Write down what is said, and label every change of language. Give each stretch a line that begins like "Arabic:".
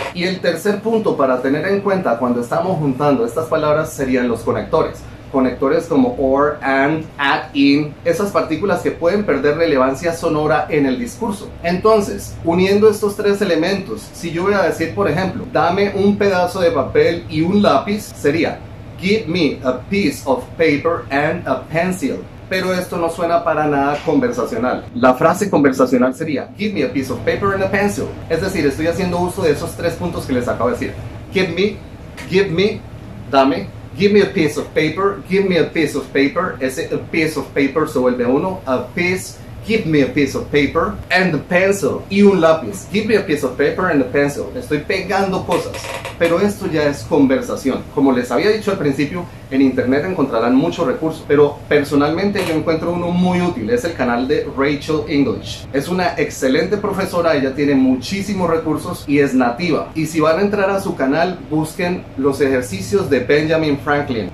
Spanish: Y el tercer punto para tener en cuenta cuando estamos juntando estas palabras serían los conectores. Conectores como or, and, at, in, esas partículas que pueden perder relevancia sonora en el discurso. Entonces, uniendo estos tres elementos, si yo voy a decir, por ejemplo, dame un pedazo de papel y un lápiz, sería
English: Give me a piece of paper and a pencil.
Spanish: Pero esto no suena para nada conversacional. La frase conversacional sería
English: Give me a piece of paper and a pencil.
Spanish: Es decir, estoy haciendo uso de esos tres puntos que les acabo de decir.
English: Give me,
Spanish: dame.
English: Give me a piece of paper.
Spanish: Ese
English: a piece of paper
Spanish: se vuelve uno.
English: A piece, give me a piece of paper and a pencil.
Spanish: Y un lápiz.
English: Give me a piece of paper and a pencil.
Spanish: Estoy pegando cosas. Pero esto ya es conversación. Como les había dicho al principio, en internet encontrarán muchos recursos. Pero personalmente yo encuentro uno muy útil. Es el canal de Rachel English. Es una excelente profesora. Ella tiene muchísimos recursos y es nativa. Y si van a entrar a su canal, busquen los ejercicios de Benjamin Franklin.